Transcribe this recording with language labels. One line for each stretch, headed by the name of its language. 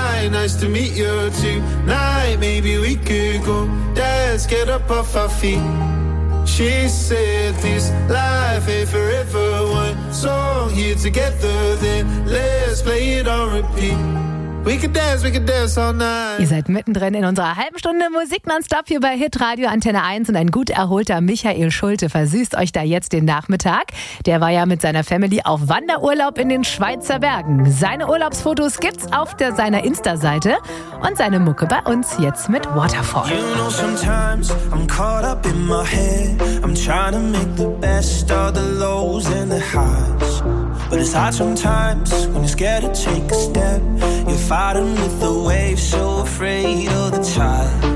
English: Nice to meet you tonight. Maybe we could go dance, get up off our feet. She said, this life ain't forever. One song here together, then let's play it on repeat. We could dance all night.
German: Ihr seid mittendrin in unserer halben Stunde Musik nonstop hier bei Hitradio Antenne 1 und ein gut erholter Michael Schulte versüßt euch da jetzt den Nachmittag. Der war ja mit seiner Family auf Wanderurlaub in den Schweizer Bergen. Seine Urlaubsfotos gibt's auf seiner Insta-Seite und seine Mucke bei uns jetzt mit Waterfall.
English: You know sometimes I'm caught up in my head. I'm trying to make the best of the lows and the highs. But it's hard sometimes when you're scared to take a step. You're fighting with the waves, so afraid of the tide.